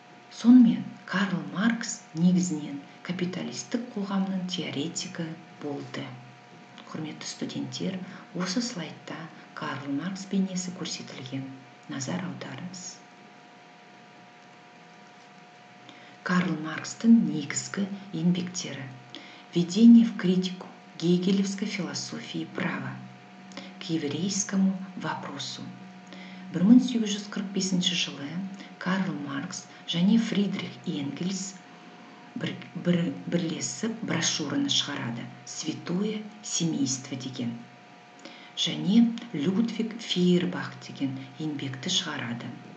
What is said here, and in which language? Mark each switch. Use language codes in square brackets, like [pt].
[kk] Сонымен Карл Маркс негізінен капиталистік қоғамның теоретигі болды. Құрметті студенттер, осы слайдта Карл Маркс бейнесі көрсетілген. Назар аударыңыз. Карл Маркстың негізгі еңбектері. [ru] «Введение в критику гегелевской философии права» «К еврейскому вопросу». [kk] 1845 жылы Карл Маркс және Фридрих Энгельс бірлесіп брошюраны шығарады [ru] «Святое семейство» [kk] деген. Және Людвиг Фейербах деген еңбекті шығарады.